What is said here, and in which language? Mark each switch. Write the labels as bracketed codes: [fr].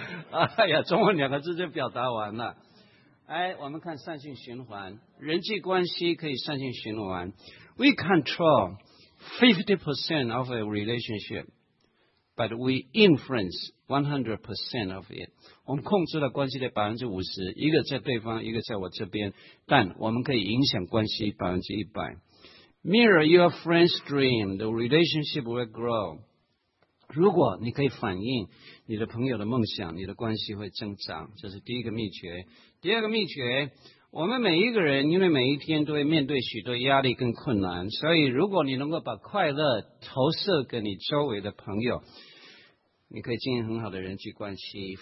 [zh] 哎呀，中文两个字就表达完了。哎，我们看善性循环，人际关系可以善性循环。 [en] We control 50% of a relationship, but we influence 100% of it. [zh] 我们控制了关系的 50%, 一个在对方，一个在我这边，但我们可以影响关系 100%。 [en] Mirror your friend's dream, the relationship will grow. [zh] 如果你可以反映你的朋友的梦想，你的关系会增长。这是第一个秘诀。第二个秘诀，我们每一个人因为每一天都会面对许多压力跟困难，所以如果你能够把快乐投射给你周围的朋友，你可以经营很好的人际关系。